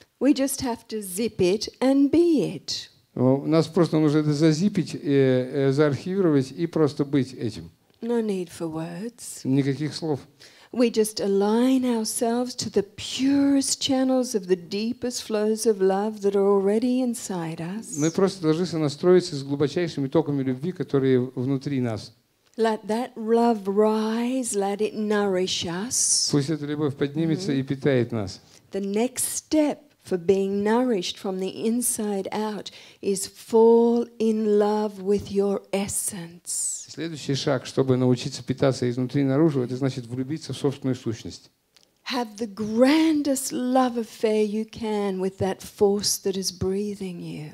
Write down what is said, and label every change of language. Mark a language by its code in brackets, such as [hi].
[en] We just have to zip it and be it. [ru] У нас просто нужно это зазипить, заархивировать и просто быть этим. [en] No need for words. [ru] Никаких слов. [en] We just align ourselves to the purest channels of the deepest flows of love that are already inside us. [ru] Мы просто должны сонастроиться с глубочайшими токами любви, которые внутри нас. [en] Let that love rise, let it nourish us. [ru] Пусть эта любовь поднимется и питает нас. [en] The next step for being nourished from the inside out is fall in love with your essence. [ru] Следующий шаг, чтобы научиться питаться изнутри наружу, это значит влюбиться в собственную сущность. [en] Have the grandest love affair you can with that force that is breathing you.